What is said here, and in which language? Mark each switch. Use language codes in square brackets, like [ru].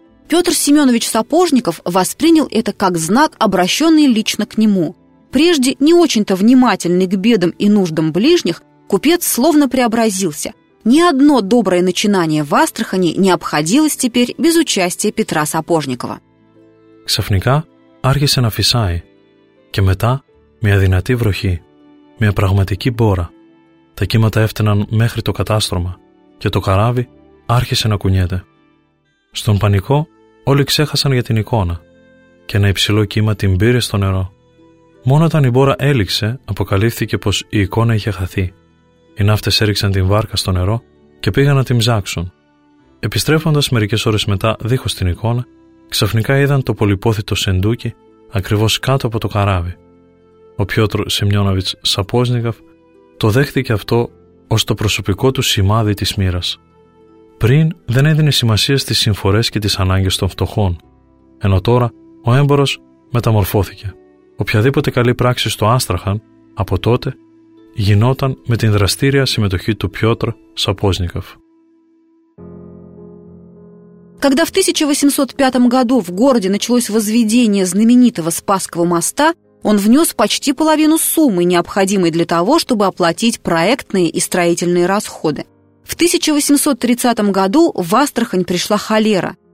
[ru] Петр Семенович Сапожников воспринял это как знак, обращенный лично к нему. Прежде не очень-то внимательный к бедам и нуждам ближних, купец словно преобразился – ни одно доброе начинание в Астрахани не обходилось теперь без участия Петра Сапожникова. [el] Ξαφνικά άρχισε να φυσάει και μετά μια δυνατή βροχή, μια πραγματική μπόρα. Τα κύματα έφτεναν μέχρι το κατάστρωμα και το καράβι άρχισε να κουνιέται. Στον πανικό όλοι ξέχασαν για την εικόνα και ένα υψηλό κύμα την πήρε στο νερό. Μόνο όταν η μπόρα έληξε αποκαλύφθηκε πως η εικόνα είχε χαθεί. Οι ναύτες έριξαν την βάρκα στο νερό και πήγαν να την ψάξουν. Επιστρέφοντας μερικές ώρες μετά δίχως την εικόνα, ξαφνικά είδαν το πολυπόθητο σεντούκι ακριβώς κάτω από το καράβι. Ο Πιότρ Σεμιώναβιτς Σαπόζνικαφ το δέχτηκε αυτό ως το προσωπικό του σημάδι της μοίρας. Πριν δεν έδινε σημασία στις συμφορές και τις ανάγκες των φτωχών, ενώ τώρα ο έμπορος μεταμορφώθηκε. Οποιαδήποτε καλή πράξη στο Άστραχαν από τότε γινόταν με την δραστήρια συμμετοχή του Πιότρ Σαπόζνικαφ. [ru] Когда в 1805 году в городе началось возведение знаменитого Спасского моста, он внес почти половину суммы, необходимой для того, чтобы оплатить проектные и строительные расходы. В 1830 году в Астрахань пришла холера.